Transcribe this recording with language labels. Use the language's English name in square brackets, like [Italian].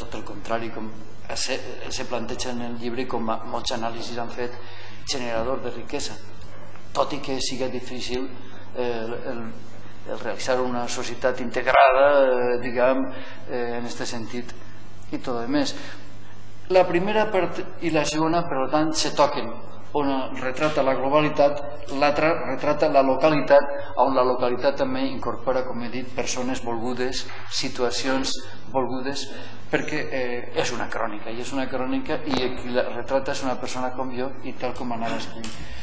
[Catalan] Tot el contrari, com se planteja en el llibre, com molts anàlisis han fet, generador de riquesa, tot i que sigui difícil el realitzar una societat integrada, diguem, en aquest sentit i tot el més. [Spanish] La primera parte y la segunda, por lo tanto, se toquen. [Catalan] Una retrata la globalitat, l'altra retrata la localitat, on la localitat també incorpora, com he dit, persones volgudes, situacions volgudes, perquè és una crònica, i és una crònica, i qui la retrata és una persona com jo i tal com anava escrivint.